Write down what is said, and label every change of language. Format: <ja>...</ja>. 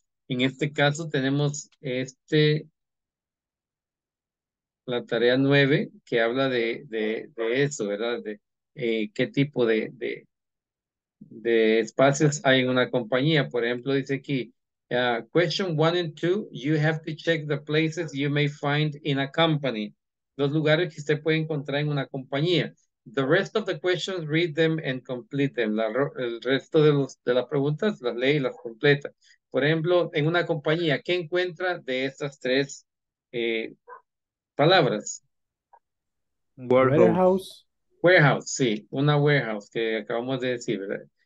<es>En este caso tenemos la tarea 9 que habla de eso, ¿verdad? De qué tipo de espacios hay en una compañía. Por ejemplo, dice aquí,</es> <en>question 1 and 2, you have to check the places you may find in a company.</en> <es>Los lugares que usted puede encontrar en una compañía.</es> <en>The rest of the questions, read them and complete them.</en> <es>El resto de las preguntas, las lee y las completa. Por ejemplo, en una compañía, ¿qué encuentra de estas tres palabras?</es> <en>Warehouse.</en> <es>Warehouse, sí, una warehouse que acabamos de decir, ¿verdad?</es>